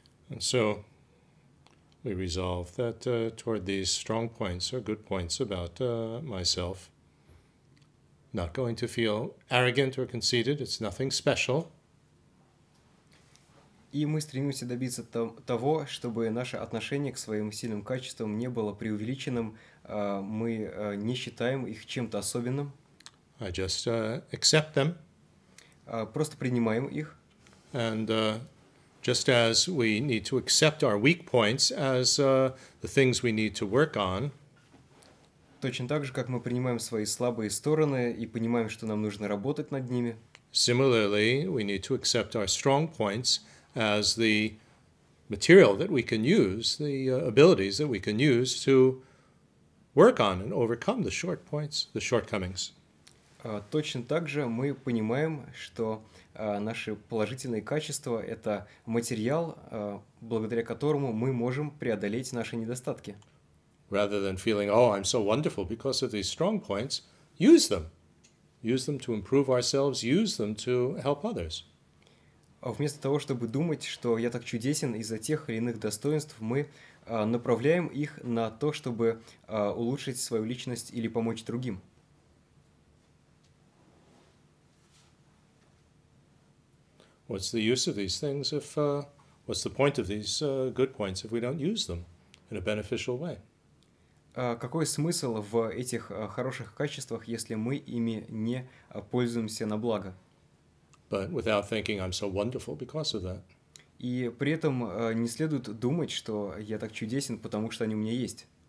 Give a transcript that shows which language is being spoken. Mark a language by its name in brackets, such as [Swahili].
[English] And so we resolve that toward these strong points or good points about myself, not going to feel arrogant or conceited, it's nothing special. [Russian] И мы стремимся добиться того, чтобы наше отношение к своим сильным качествам не было преувеличенным, мы не считаем их чем-то особенным. [English] I just accept them. [Russian] Просто принимаем их. [English] And just as we need to accept our weak points as the things we need to work on. [Russian] Точно так же, как мы принимаем свои слабые стороны и понимаем, что нам нужно работать над ними. [English] Similarly, we need to accept our strong points as the material that we can use, the abilities that we can use to work on and overcome the short points, the shortcomings. [Russian] Точно так же мы понимаем, что наши положительные качества – это материал, благодаря которому мы можем преодолеть наши недостатки. [English] Rather than feeling, oh, I'm so wonderful because of these strong points, use them. Use them to improve ourselves, use them to help others. [Russian] Вместо того, чтобы думать, что я так чудесен из-за тех или иных достоинств, мы направляем их на то, чтобы улучшить свою личность или помочь другим. [English] What's the use of these things if what's the point of these good points if we don't use them in a beneficial way? [Russian] Какой смысл в этих хороших качествах, если мы ими не пользуемся на благо? [English] But without thinking I'm so wonderful because of that. [Russian] И при этом не следует думать, что я так чудесен, потому что они у меня есть.